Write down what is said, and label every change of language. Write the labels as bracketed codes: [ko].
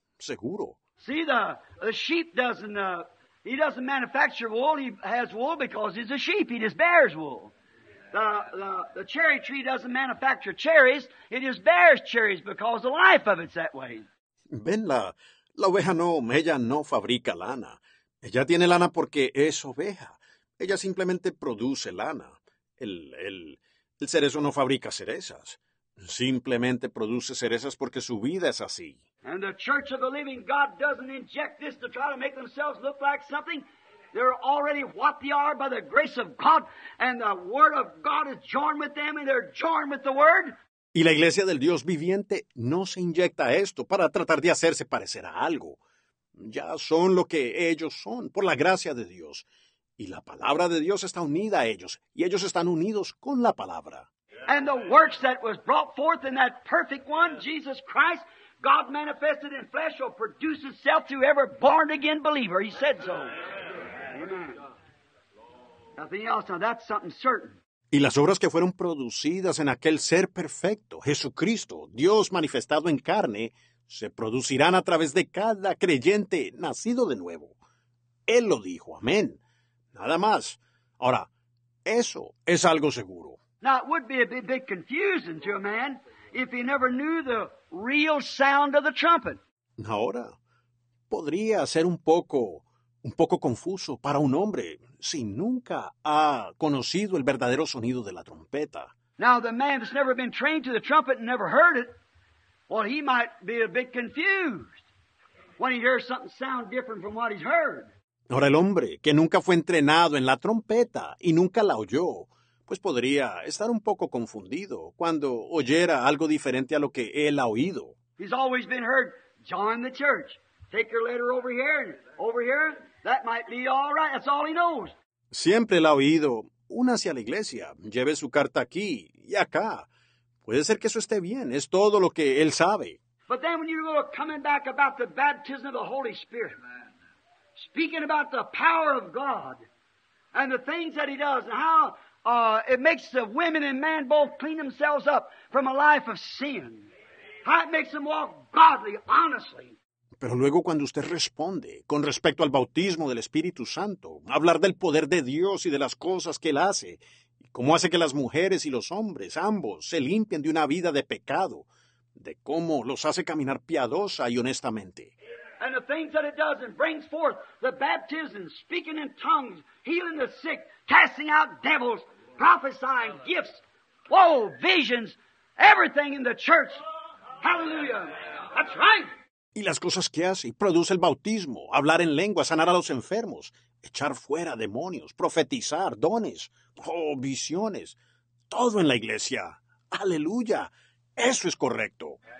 [es] Seguro. [en] See, the sheep doesn't, he doesn't manufacture wool. He has wool because he's a sheep. He just bears wool. The cherry tree doesn't manufacture cherries. It just bears cherries because the life of it's that way. [es] Ven, la oveja no, ella no fabrica lana. Ella tiene lana porque es oveja. Ella simplemente produce lana. El cerezo no fabrica cerezas. Simplemente produce cerezas porque su vida es así. [en] And the church of the living God doesn't inject this to try to make themselves look like something. They're already what they are by the grace of God, and the word of God is joined with them, and they're joined with the word. [es] Y la iglesia del Dios viviente no se inyecta esto para tratar de hacerse parecer a algo. Ya son lo que ellos son, por la gracia de Dios. Y la palabra de Dios está unida a ellos, y ellos están unidos con la palabra. [en] And the works that was brought forth in that perfect one, Jesus Christ, God manifested in flesh, will produce itself to every born-again believer. He said so. Amen. Nothing else. Now that's something certain. [es] Y las obras que fueron producidas en aquel ser perfecto, Jesucristo, Dios manifestado en carne, se producirán a través de cada creyente nacido de nuevo. Él lo dijo. Amén. Nada más. Ahora, eso es algo seguro. [en] Now, it would be a bit confusing to a man if he never knew the real sound of the trumpet. [es] Ahora, podría ser un poco confuso para un hombre si nunca ha conocido el verdadero sonido de la trompeta. [en] Now, the man that's never been trained to the trumpet and never heard it, well, he might be a bit confused when he hears something sound different from what he's heard. [es] Ahora, el hombre que nunca fue entrenado en la trompeta y nunca la oyó, pues podría estar un poco confundido cuando oyera algo diferente a lo que él ha oído. [en] He's always been heard, join the church. Take your letter over here and over here, that might be all right. That's all he knows. [es] Siempre la ha oído. Únase a la iglesia. Lleve su carta aquí y acá. Puede ser que eso esté bien. Es todo lo que él sabe. [en] But then when you're coming back about the baptism of the Holy Spirit, speaking about the power of God and the things that he does and how it makes the women and man both clean themselves up from a life of sin. How it makes them walk godly, honestly. [es] Pero luego cuando usted responde con respecto al bautismo del Espíritu Santo, hablar del poder de Dios y de las cosas que Él hace, y cómo hace que las mujeres y los hombres, ambos, se limpien de una vida de pecado, de cómo los hace caminar piadosa y honestamente. [en] And the things that it does and brings forth, the baptism, speaking in tongues, healing the sick, casting out devils, prophesying, gifts, whoa, visions, everything in the church. Hallelujah. That's right. [es] Y las cosas que hace, produce el bautismo, hablar en lengua, sanar a los enfermos, echar fuera demonios, profetizar, dones, oh, visiones, todo en la iglesia. ¡Aleluya! Eso es correcto.